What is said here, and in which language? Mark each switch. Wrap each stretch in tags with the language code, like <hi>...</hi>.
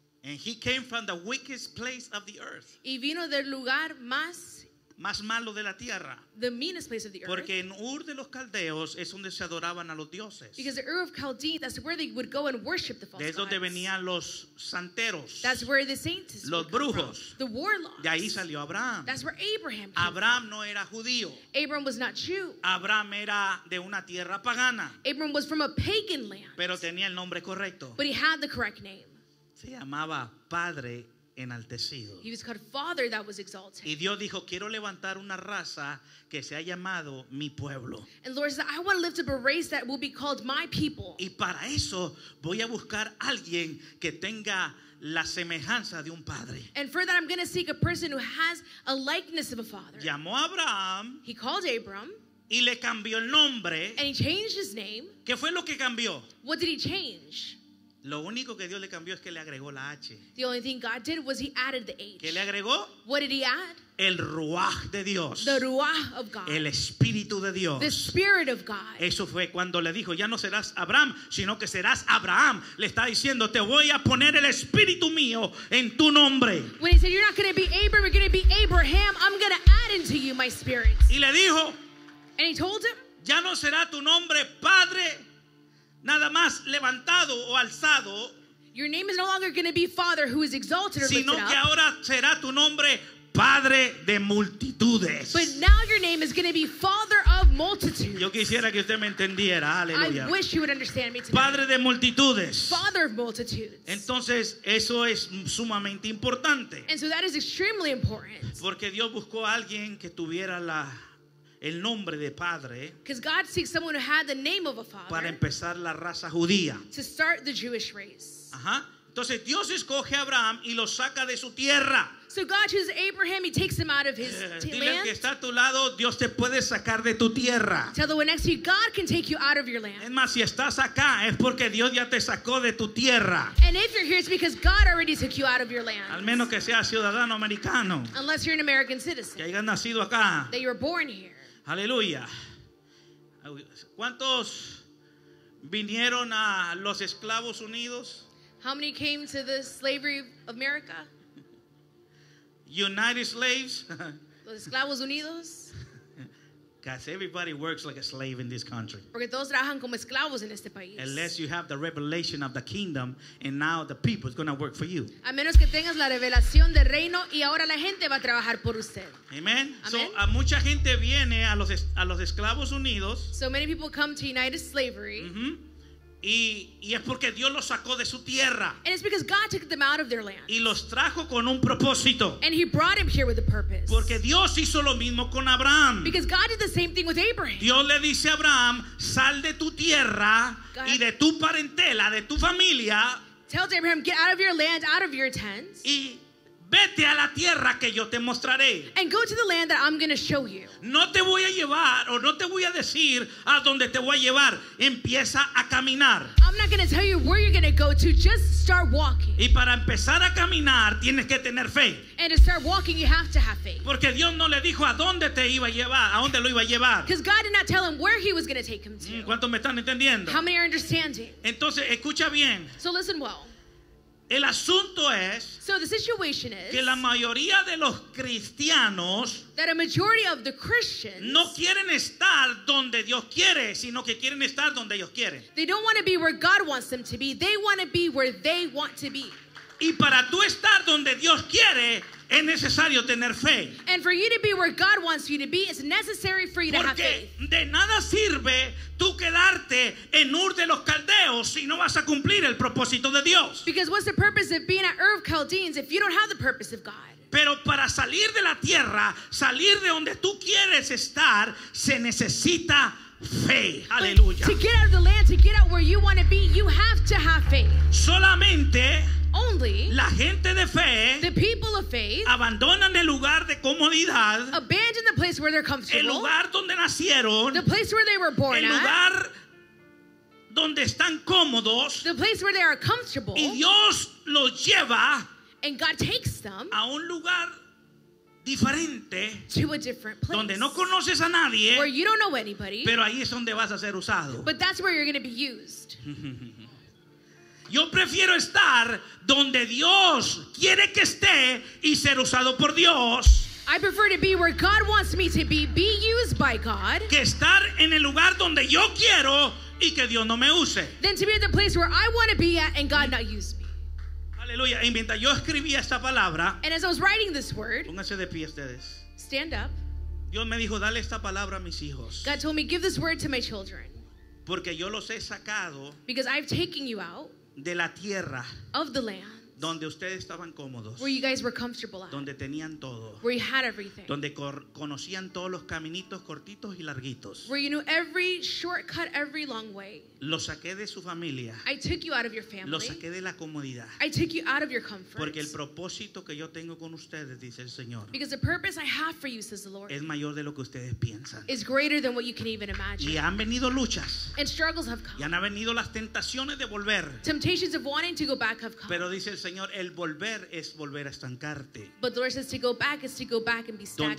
<en>And he came from the weakest place of the earth.</en> <es>Y vino del lugar más, más malo de la tierra.</es> <en>The meanest place of the earth.</en> <es>Porque en Ur de los Caldeos es donde se adoraban a los dioses.</es> <en>Because the Ur of Chaldeans, that's where they would go and worship the false gods.</en> <es>Es donde venían los santeros.</es> <en>That's where the saints would come from.</en> <es>Los brujos.</es> <en>The warlocks.</en> <es>De ahí salió Abraham.</es> <en>That's where Abraham came Abraham from.</en> <es>No era judío.</es> <en>Abraham was not Jew.</en> <es>Abraham era de una tierra pagana.</es> <en>Abraham was from a pagan land.</en> <es>Pero tenía el nombre correcto.</es> <en>But he had the correct name.</en> <es>Se llamaba Padre Enaltecido.</es> <en>He was called Father that was exalted.</en> <es>Y Dios dijo, quiero levantar una raza que sea llamado mi pueblo.</es> <en>And Lord said, I want to lift up a race that will be called my people.</en> <es>Y para eso voy a buscar alguien que tenga la semejanza de un padre.</es> <en>And for that I'm going to seek a person who has a likeness of a father.</en> <es>Llamó a Abraham.</es> <en>He called Abram.</en> <es>Y le cambió el nombre.</es> <en>And he changed his name.</en> <es>¿Qué fue lo que cambió?</es> <en>What did he change?</en> <es>Lo único que Dios le cambió es que le agregó la H.</es> <en>The only thing God did was he added the H.</en> <es>¿Qué le agregó?</es> <en>What did he add?</en> <es>El ruaj de Dios.</es> <en>The ruaj of God.</en> <es>El espíritu de Dios.</es> <en>The spirit of God.</en> <es>Eso fue cuando le dijo, ya no serás Abraham, sino que serás Abraham. Le está diciendo, te voy a poner el espíritu mío en tu nombre.</es> <en>When he said, you're not going to be Abraham, you're going to be Abraham, I'm going to add into you my spirit.</en> <es>Y le dijo,</es> <en>and he told him,</en> <es>ya no será tu nombre Padre nada más levantado o alzado.</es> <en>Your name is no longer going to be Father who is exalted or</en> <es>sino</es> <en>lifted</en> <es>que</es> <en>up.</en> <es>Ahora será tu nombre Padre de multitudes.</es> <en>But now your name is going to be Father of multitudes.</en> <es>Yo quisiera que usted me entendiera. Aleluya.</es> <en>I wish you would understand me tonight.</en> <es>Padre de multitudes.</es> <en>Father of multitudes.</en> <es>Entonces eso es sumamente importante.</es> <en>And so that is extremely important.</en> <es>Porque Dios buscó a alguien que tuviera la el nombre de padre.</es> <en>Because God seeks someone who had the name of a father.</en> <es>Para empezar la raza judía.</es> <en>To start the Jewish race. Ajá.</en> <es>Entonces Dios escoge a Abraham y lo saca de su tierra.</es> <en>So God chooses Abraham, he takes him out of his land.</en> <es>Dile que está a tu lado, Dios te puede sacar de tu tierra.</es> <en>Tell the one next to you, God can take you out of your land.</en> <es>Es más, si estás acá, es porque Dios ya te sacó de tu tierra.</es> <en>And if you're here, it's because God already took you out of your land.</en> <es>Al menos que seas ciudadano americano.</es> <en>Unless you're an American citizen.</en> <es>Que hayas nacido acá.</es> <en>That you were born here.</en> <es>Aleluya. ¿Cuántos vinieron a los esclavos unidos?</es> <en>How many came to the slavery of America? United slaves.</en> <es>Los esclavos unidos.</es> <en>Guys, everybody works like a slave in this country.</en> <es>Porque todos trabajan como esclavos en este país.</es> <en>Unless you have the revelation of the kingdom and now the people is going to work for you.</en> <es>A menos que tengas la revelación del reino y ahora la gente va a trabajar por usted.</es> <en>Amen. Amen.</en> <es>So a mucha gente viene a los esclavos unidos.</es> <en>So many people come to United Slavery. Mm-hmm.</en> <es>Y es porque Dios los sacó de su tierra.</es> <en>And it's because God took them out of their land.</en> <es>Y los trajo con un propósito.</es> <en>And he brought him here with a purpose.</en> <es>Porque Dios hizo lo mismo con Abraham.</es> <en>Because God did the same thing with Abraham.</en> <es>Dios le dice a Abraham, sal de tu tierra y de tu parentela, de tu familia.</es> <en>Tells Abraham, get out of your land, out of your tents.</en> <es>Y vete a la tierra que yo te mostraré.</es> <en>And go to the land that I'm going to show you.</en> <es>No te voy a llevar o no te voy a decir a dónde te voy a llevar. Empieza a caminar.</es> <en>I'm not going to tell you where you're going to go to. Just start walking.</en> <es>Y para empezar a caminar tienes que tener fe.</es> <en>And to start walking you have to have faith.</en> <es>Porque Dios no le dijo a dónde te iba a llevar, a dónde lo iba a llevar.</es> <en>Because God did not tell him where he was going to take him to.</en> <es>¿Cuántos me están entendiendo?</es> <en>How many are understanding?</en> <es>Entonces escucha bien.</es> <en>So listen well.</en> <es>El asunto es</es> <en>so the situation is</en> <es>que la mayoría de los cristianos</es> <en>that a majority of the Christians</en> <es>no quieren estar donde Dios quiere, sino que quieren estar donde ellos quieren.</es> <en>They don't want to be where God wants them to be. They want to be where they want to be.</en> <es>Y para tú estar donde Dios quiere es necesario tener fe.</es> <en>And for you to be where God wants you to be, it's necessary for you</en> <es>porque</es> <en>to have faith.</en> <es>Porque de nada sirve tú quedarte en Ur de los Caldeos si no vas a cumplir el propósito de Dios.</es> <en>Because what's the purpose of being at Ur of Chaldeans if you don't have the purpose of God?</en> <es>Pero para salir de la tierra, salir de donde tú quieres estar, se necesita fe. Aleluya.</es> <en>To get out of the land, to get out where you want to be, you have to have faith.</en> <es>Solamente</es> <en>only,</en> <es>la gente de fe,</es> <en>the people of faith,</en> <es>abandonan el lugar de comodidad,</es> <en>abandon the place where they're comfortable,</en> <es>el lugar donde nacieron,</es> <en>the place where they were born,</en> <es>el lugar donde están cómodos,</es> <en>the place where they are comfortable,</en> <es>y Dios los lleva,</es> <en>and God takes them,</en> <es>a un lugar diferente,</es> <en>to a different place,</en> <es>donde no conoces a nadie,</es> <en>where you don't know anybody,</en> <es>pero ahí es donde vas a ser usado.</es> <en>But that's where you're going to be used.</en> <es>Yo prefiero estar donde Dios quiere que esté y ser usado por Dios.</es> <en>I prefer to be where God wants me to be used by God.</en> <es>Que estar en el lugar donde yo quiero y que Dios no me use.</es> <en>Than to be at the place where I want to be at and God not use me.</en> <es>Aleluya. Y mientras yo escribía esta palabra,</es> <en>and as I was writing this word,</en> <es>pónganse de pie ustedes.</es> <en>Stand up.</en> <es>Dios me dijo, dale esta palabra a mis hijos.</es> <en>God told me, give this word to my children.</en> <es>Porque yo los he sacado.</es> <en>Because I've taken you out.</en> <es>De la tierra,</es> <en>of the land,</en> <es>donde ustedes estaban cómodos,</es> <en>where you guys were comfortable at,</en> <es>donde tenían todo,</es> <en>where you had everything,</en> <es>donde conocían todos los caminitos cortitos y larguitos,</es> <en>where you knew every shortcut, every long way.</en> <es>Los saqué de su familia.</es> <en>I took you out of your family.</en> <es>Los saqué de la comodidad.</es> <en>I took you out of your comfort.</en> <es>Porque el propósito que yo tengo con ustedes, dice el Señor,</es> <en>because the purpose I have for you, says the Lord,</en> <es>es mayor de lo que ustedes piensan,</es> <en>is greater than what you can even imagine.</en> <es>Y han venido luchas,</es> <en>and struggles have come.</en> <es>Y han venido las tentaciones de volver,</es> <en>temptations of wanting to go back have come.</en> <es>Pero dice el Señor, el volver es volver a estancarte.</es> <en>But the Lord says to go back is to go back and be stagnant.</en>